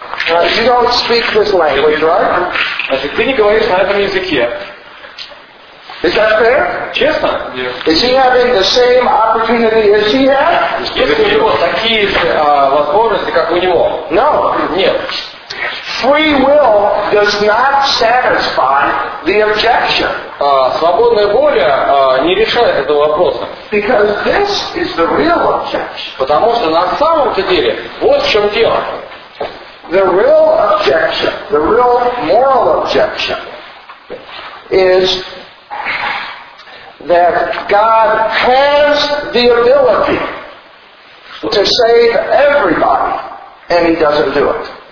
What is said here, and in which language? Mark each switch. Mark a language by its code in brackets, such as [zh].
[en] You don't speak this language, right? [ru] Значит, ты не говоришь на этом языке. [en] Is that fair? [ru] Честно? [en] Is he having the same opportunity as he had? [ru] Есть у него такие же возможности, как у него? [en] No. [ru] Нет. [en] Free will does not satisfy the objection. [ru] Свободная воля не решает этого вопроса. [en] Because this is the real objection. [ru] Потому что на самом-то деле вот в чем дело. [en] The real objection, the real moral objection is that God has the ability to save everybody and he doesn't do it.